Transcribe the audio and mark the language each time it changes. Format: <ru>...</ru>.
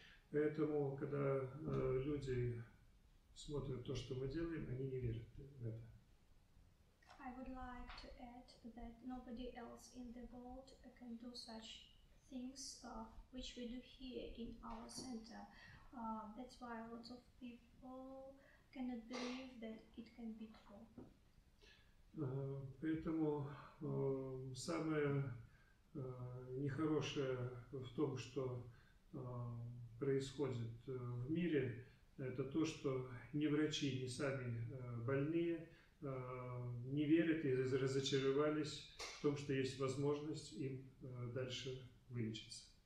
<ru>Поэтому, когда люди смотрят то, что мы делаем, они не верят в это.</ru> <en>I would like to add that nobody else in the world can do such things which we do here in our center. That's why lots of people cannot believe that it can be true.</en> <ru>Поэтому самое нехорошее в том, что происходит в мире, это то, что ни врачи, ни сами больные не верят и разочаровались в том, что есть возможность им дальше вылечиться.</ru>